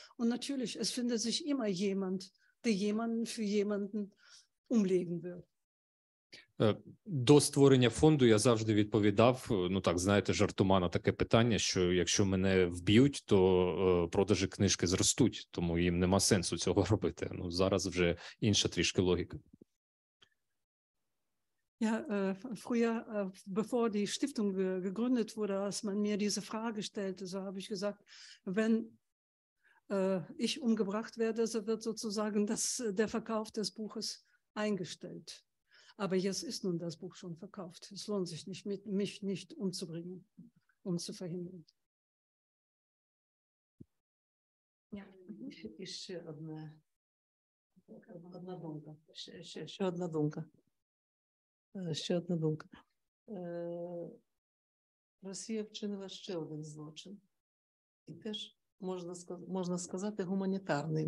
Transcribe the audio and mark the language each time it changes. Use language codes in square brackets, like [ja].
[de] Und natürlich, es findet sich immer jemand, der jemanden für jemanden umlegen wird. [uk] До створення фонду я завжди відповідав, знаєте, жартома на таке питання, що якщо мене вб'ють, то продажі книжки зростуть, тому їм нема сенсу цього робити. Зараз вже інша трішки логіка. [de] Ja, früher, bevor die Stiftung gegründet wurde, als man mir diese Frage stellte, so habe ich gesagt, wenn ich umgebracht werde, so wird sozusagen der Verkauf des Buches eingestellt. Aber jetzt ist nun das Buch schon verkauft. Es lohnt sich nicht, mich nicht umzubringen, um zu verhindern. [uk] Ja, ще одна думка. Ще одна думка. Ще одна думка. Росія вчинила ще один злочин. І теж можна сказати гуманітарний.